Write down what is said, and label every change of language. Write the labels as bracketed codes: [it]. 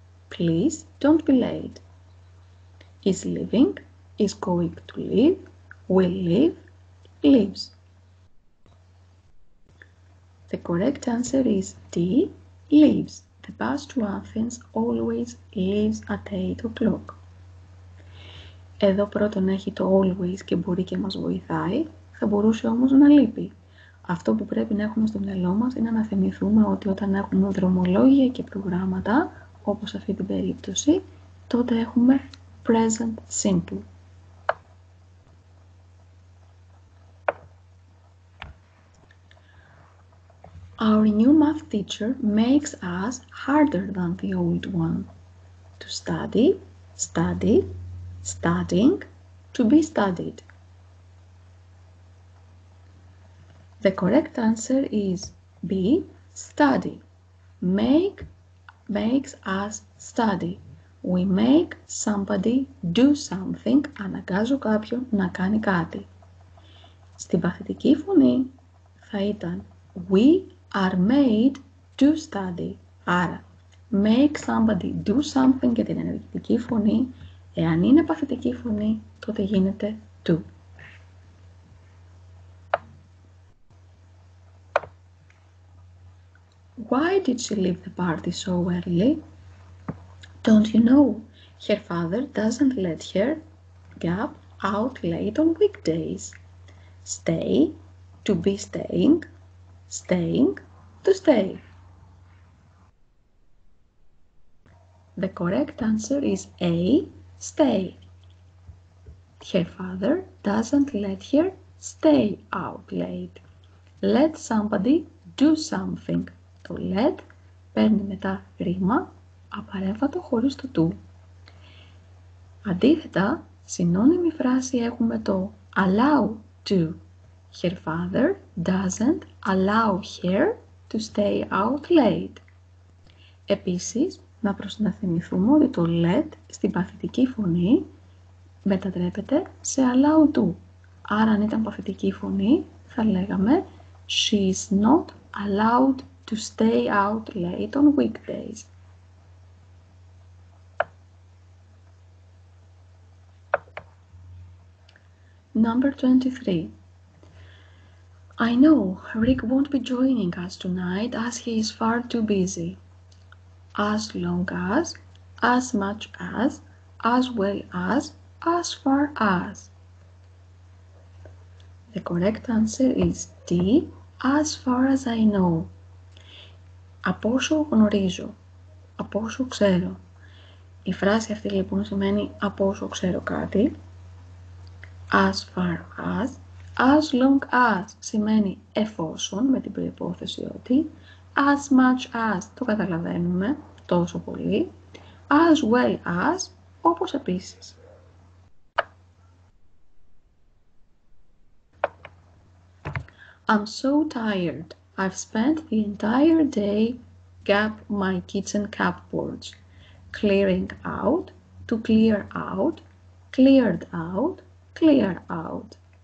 [en] Please don't be late. Is leaving, is going to leave, will leave, leaves. The correct answer is D, leaves. The bus to Athens always leaves at 8 o'clock. [el] Εδώ πρώτον έχει το always και μπορεί και μας βοηθάει, θα μπορούσε όμως να λείπει. Αυτό που πρέπει να έχουμε στο μυαλό μας είναι να θυμηθούμε ότι όταν έχουμε δρομολόγια και προγράμματα, όπως αυτή την περίπτωση, τότε έχουμε present simple. [en] Our new math teacher makes us harder than the old one. To study, study, studying, to be studied. The correct answer is B, study. Make makes us study. We make somebody do something. [el] Αναγκάζω κάποιον να κάνει κάτι. Στην παθητική φωνή θα ήταν [en] We are made to study. [el] Άρα, [en] make somebody do something [el] για την ενεργητική φωνή. Εάν είναι παθητική φωνή, τότε γίνεται do. [en] Why did she leave the party so early? Don't you know? Her father doesn't let her gap out late on weekdays. Stay, to be staying, staying, to stay. The correct answer is A, stay. Her father doesn't let her stay out late. Let somebody do something. [el] Το let παίρνει μετά ρήμα, απαρέμβατο χωρίς το to. Αντίθετα, συνώνυμη φράση έχουμε το allow to. [en] Her father doesn't allow her to stay out late. [el] Επίσης, να προσυναθυμηθούμε ότι το let στην παθητική φωνή μετατρέπεται σε allow to. Άρα, αν ήταν παθητική φωνή, θα λέγαμε [en] she's not allowed to stay out late on weekdays. Number 23. I know Rick won't be joining us tonight as he is far too busy. As long as much as well as far as. The correct answer is D, as far as I know. [el] Από όσο γνωρίζω, από όσο ξέρω. Η φράση αυτή λοιπόν σημαίνει από όσο ξέρω κάτι. [en] As far as long as [el] σημαίνει εφόσον με την προϋπόθεση ότι. [en] As much as [el] το καταλαβαίνουμε τόσο πολύ. [en] As well as [el] όπως επίσης. [en] I'm so tired. I've spent the entire day gap my kitchen cupboards, clearing out, to clear out, cleared out, clear out.